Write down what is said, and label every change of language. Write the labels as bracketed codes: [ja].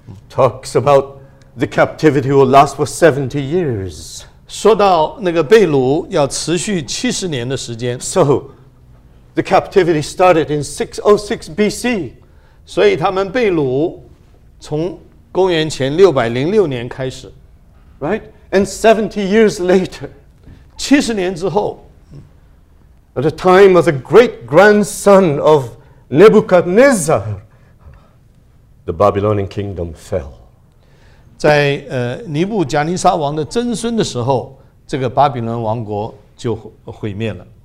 [en] Talks about the captivity will last for 70 years. [zh] 说到那个被掳要持续70年的时间。 [en] So, the captivity started in 606 BC. [zh] 所以他们被掳从公元前606年开始。 [en] Right? And 70 years later. [zh] 70年之后。 [en] At the time of the great grandson of Nebuchadnezzar, the Babylonian kingdom fell. [zh] 在尼布贾尼撒王的曾孙的时候，这个巴比伦王国就毁灭了。